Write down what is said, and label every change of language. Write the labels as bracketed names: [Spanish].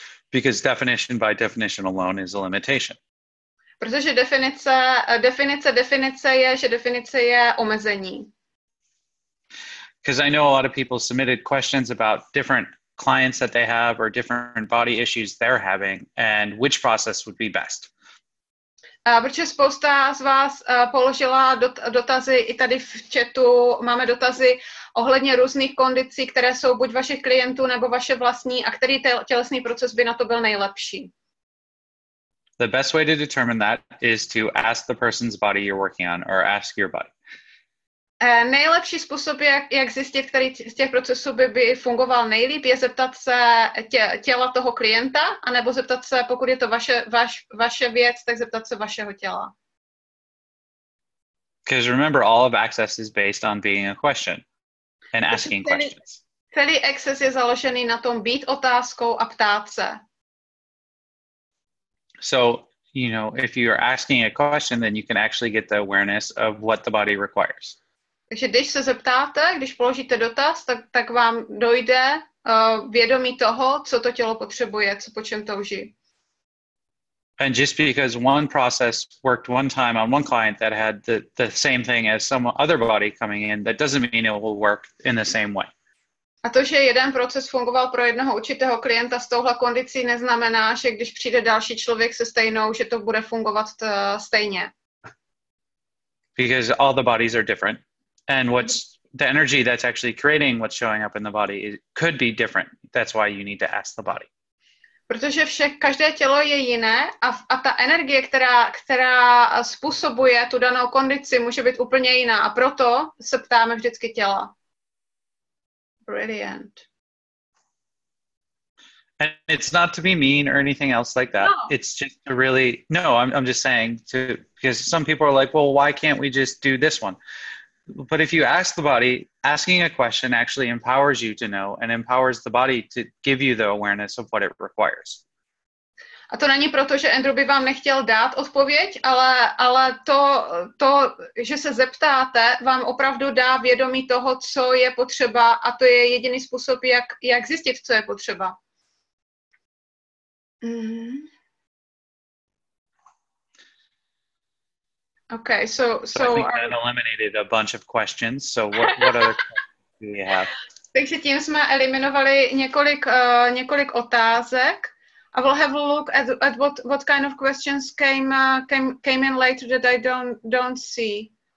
[English] Because definition by definition alone is a limitation. [Czech] Protože definice je omezení. [English] Because I know a lot of people submitted questions about different clients that they have or different body issues they're having and which process would be best. [Czech] Protože spousta z vás položila dotazy i tady v chatu, máme dotazy ohledně různých kondicí, které jsou buď vašich klientů nebo vaše vlastní a který tělesný proces by na to byl nejlepší. [English] The best way to determine that is to ask the person's body you're working on or ask your body. [Czech] Nejlepší způsob, jak zjistit, který z těch procesů by fungoval nejlíp, je zeptat se těla toho klienta, anebo zeptat se, pokud je to vaše věc, tak zeptat se vašeho těla. [English] Because remember, all of access is based on being a question and asking questions. [Czech] Celý access je založený na tom být otázkou a ptát se. [English] So, you know, if you're asking a question, then you can actually get the awareness of what the body requires. [Czech] Takže když se zeptáte, když položíte dotaz, tak vám dojde vědomí toho, co to tělo potřebuje, co po čem touží. [English] And just because one process worked one time on one client that had the same thing as some other body coming in, that doesn't mean it will work in the same way. [Czech] A to, že jeden proces fungoval pro jednoho určitého klienta s touhle kondicí, neznamená, že když přijde další člověk se stejnou, že to bude fungovat stejně. [English] Because all the bodies are different. And what's the energy that's actually creating what's showing up in the body it could be different. That's why you need to ask the body. [Czech] Protože každé tělo je jiné a ta energie, která způsobuje tu danou kondici, může být úplně jiná. A proto se ptáme vždycky těla. [English] Brilliant. And it's not to be mean or anything else like that. No. It's just to really, no, I'm just saying to, because some people are like, well, why can't we just do this one? But if you ask the body, asking a question actually empowers you to know and empowers the body to give you the awareness of what it requires. [Czech] A to není proto, že Andrew by vám nechtěl dát odpověď, ale to, že se zeptáte, vám opravdu dá vědomí toho, co je potřeba a to je jediný způsob, jak zjistit, co je potřeba. [English] Okay, so I think that eliminated a bunch of questions. So what other questions do we have? [Czech] Takže tím jsme eliminovali několik otázek. [English] I will have a look at what kind of questions came in later that I don't see.